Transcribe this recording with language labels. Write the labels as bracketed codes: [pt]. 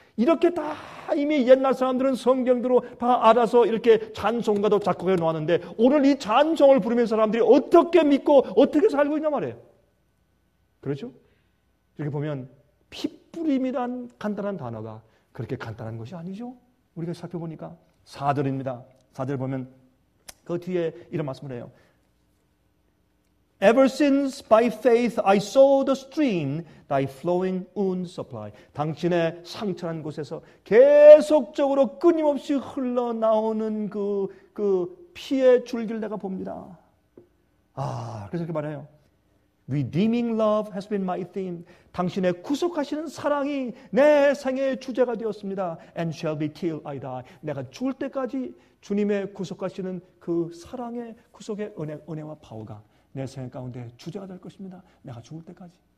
[ko] 이렇게 다 이미 옛날 사람들은 성경대로 다 알아서 이렇게 찬송가도 작곡해 놓았는데 오늘 이 찬송을 부르는 사람들이 어떻게 믿고 어떻게 살고 있냐 말이에요. 그렇죠? 이렇게 보면 피뿌림이란 간단한 단어가 그렇게 간단한 것이 아니죠. 우리가 살펴보니까 4절입니다. 4절 보면 그 뒤에 이런 말씀을 해요. [en] Ever since by faith I saw the stream thy flowing wound supply. [ko] 당신의 상처란 곳에서 계속적으로 끊임없이 흘러나오는 그 피의 줄기를 내가 봅니다. 아, 그래서 이렇게 말해요. [en] Redeeming love has been my theme. [ko] 당신의 구속하시는 사랑이 내 생의 주제가 되었습니다. [en] And shall be till I die. [ko] 내가 죽을 때까지 주님의 구속하시는 그 사랑의 구속의 은혜와 파워가 내 생애 가운데 주제가 될 것입니다. 내가 죽을 때까지.